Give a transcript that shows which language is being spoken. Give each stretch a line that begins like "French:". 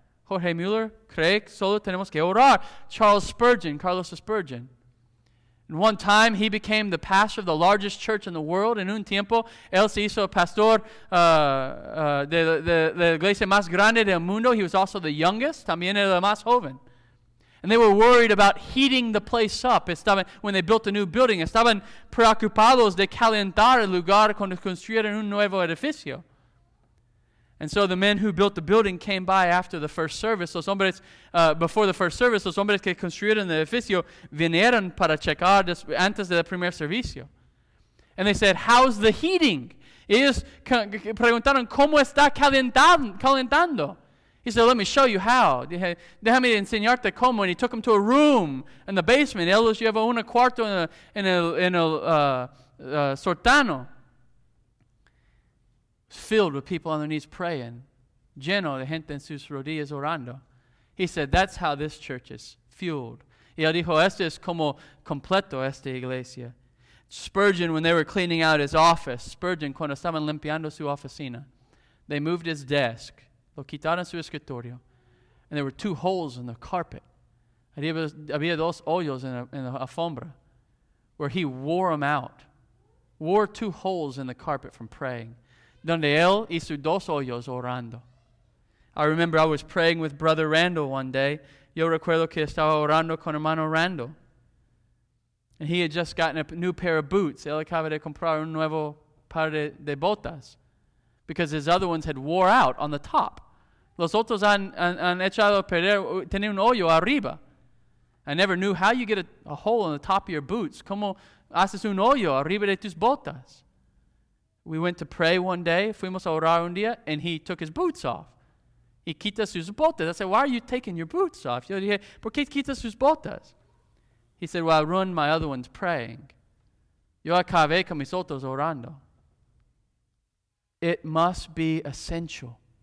Spanish: Jorge Mueller cree que solo tenemos que orar. Carlos Spurgeon.
English: And one time he became the pastor of the largest church in the world.
Spanish: En un tiempo, él se hizo pastor de la iglesia más grande del mundo.
English: He was also the youngest.
Spanish: También era el más joven.
English: And they were worried about heating the place up.
Spanish: Estaban,
English: when they built a new building,
Spanish: estaban preocupados de calentar el lugar cuando construyeron un nuevo edificio.
English: And so the men who built the building came by after the first service.
Spanish: Los hombres que construyeron el edificio vinieron para checar antes del primer servicio.
English: And they said, how's the heating?
Spanish: Ellos preguntaron, ¿cómo está calentando?
English: He said, let me show you how.
Spanish: Déjame enseñarte cómo.
English: And he took him to a room in the basement.
Spanish: Él los llevó un cuarto en el sótano.
English: Filled with people on their knees praying.
Spanish: Lleno de gente en sus rodillas orando.
English: He said, that's how this church is fueled.
Spanish: Y él dijo, este es como completo esta iglesia.
English: Spurgeon, when they were cleaning out his office,
Spanish: cuando estaban limpiando su oficina,
English: they moved his desk.
Spanish: Lo quitaron su escritorio.
English: And there were two holes in the carpet.
Spanish: Había dos hoyos en la alfombra.
English: Where he wore them out. Wore two holes in the carpet from praying.
Spanish: Donde él hizo dos hoyos orando.
English: I remember I was praying with Brother Randall one day.
Spanish: Yo recuerdo que estaba orando con hermano Randall.
English: And he had just gotten a new pair of boots.
Spanish: Él acaba de comprar un nuevo par de botas.
English: Because his other ones had wore out on the top.
Spanish: Los otros han echado a perder, tenía un hoyo arriba.
English: I never knew how you get a hole on the top of your boots.
Spanish: ¿Cómo haces un hoyo arriba de tus botas?
English: We went to pray one day,
Spanish: fuimos a orar un día,
English: and he took his boots off.
Spanish: Y quita sus botas.
English: I said, why are you taking your boots off?
Spanish: Yo dije, ¿por qué quita sus botas?
English: He said, well, I ruined my other ones praying.
Spanish: Yo acabé con mis otros orando.
English: It must be essential.